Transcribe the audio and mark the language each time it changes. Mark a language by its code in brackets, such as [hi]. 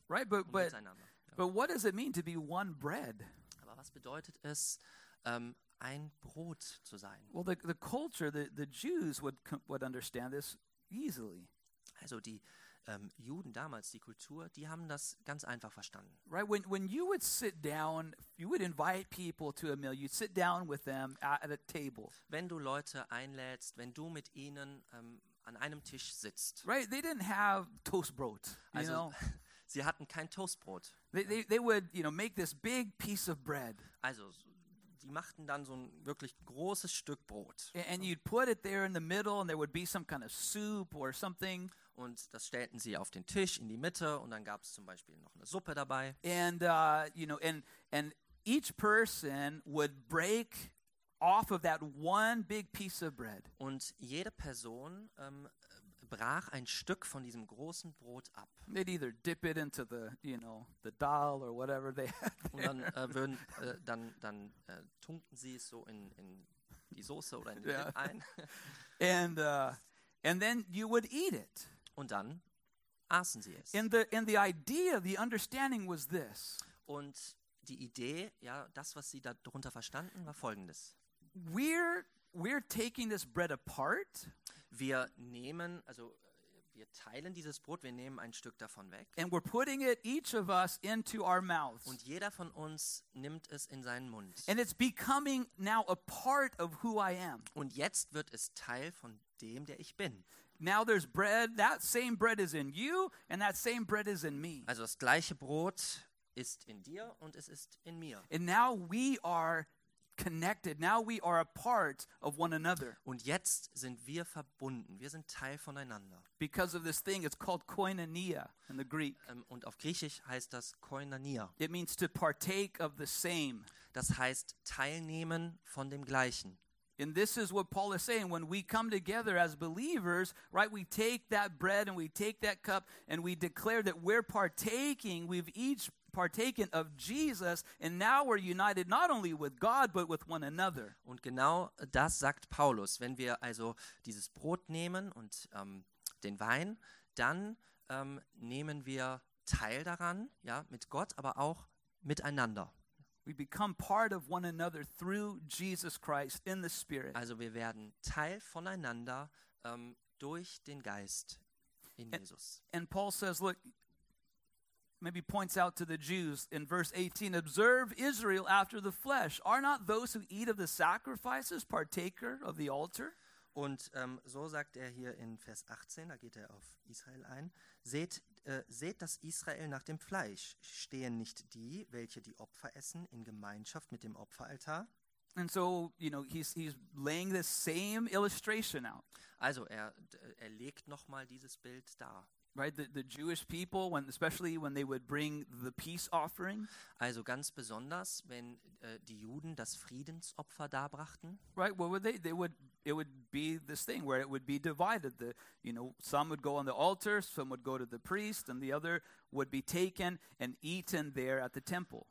[en] Right, but what does it mean to be one bread? [de] Aber was bedeutet es, ein Brot zu sein? [en] Well, the culture, the Jews would understand this easily. [de] Also die Juden damals, die Kultur, die haben das ganz einfach verstanden. [en] Right, when you would sit down, you would invite people to a meal, you'd sit down with them at a table. [de] Wenn du Leute einlädst, wenn du mit ihnen an einem Tisch sitzt. [en] Right, they didn't have Toastbrot, [de] sie hatten kein Toastbrot. [en] They would, make this big piece of bread. [de] Also, die machten dann so ein wirklich großes Stück Brot. [en] And you'd put it there in the middle and there would be some kind of soup or something. [de] Und das stellten sie auf den Tisch in die Mitte und dann gab es zum Beispiel noch eine Suppe dabei. [en] And and each person would break off of that one big piece of bread. [de] Und jede Person brach ein Stück von diesem großen Brot ab. [en] They'd either dip it into the, the dal or whatever they had there. [de] Und dann tunkten sie es so in die Soße oder in den Dip ein. [en] And then you would eat it. [de] Und dann aßen sie es. [en] In the idea, the understanding was this. [de] Und die Idee, ja, das, was sie darunter verstanden, war folgendes. [en] We're taking this bread apart. [de] Wir nehmen, also wir teilen dieses Brot, wir nehmen ein Stück davon weg. [en] And we're putting it, each of us, into our mouths. [de] Und jeder von uns nimmt es in seinen Mund. [en] And it's becoming now a part of who I am. [de] Und jetzt wird es Teil von dem, der ich bin. [en] Now there's bread, that same bread is in you, and that same bread is in me. [de] Also das gleiche Brot ist in dir und es ist in mir. [en] And now we are connected. Now we are a part of one another. [de] Und jetzt sind wir verbunden. Wir sind Teil voneinander. [en] Because of this thing, it's called koinonia in the Greek. [de] Und auf Griechisch heißt das koinonia. [en] It means to partake of the same. [de] Das heißt teilnehmen von dem Gleichen. [en] And this is what Paul is saying. When we come together as believers, right, we take that bread and we take that cup and we declare that we're partaking, we've each partaken of Jesus, and now we're united not only with God, but with one another. [de] Und genau das sagt Paulus. Wenn wir also dieses Brot nehmen und den Wein, dann nehmen wir teil daran, ja, mit Gott, aber auch miteinander. [en] We become part of one another through Jesus Christ in the Spirit. [de] Also wir werden Teil voneinander durch den Geist in Jesus. [en] And Paul says, look, maybe points out to the Jews in verse 18, observe Israel after the flesh. Are not those who eat of the sacrifices partaker of the altar? [de] Und so sagt er hier in Vers 18, da geht er auf Israel ein, seht das Israel nach dem Fleisch. Stehen nicht die, welche die Opfer essen, in Gemeinschaft mit dem Opferaltar? [en] And so, he's laying the same illustration out. [de] Also er legt nochmal dieses Bild dar. [en] Right, the Jewish people, especially when they would bring the peace offering. [de] Also ganz besonders, wenn die Juden das Friedensopfer darbrachten. [en] Right, what would they? It would be this thing where it would be divided. Some would go on the altar, some would go to the priest, and the other would be taken and eaten there at the temple.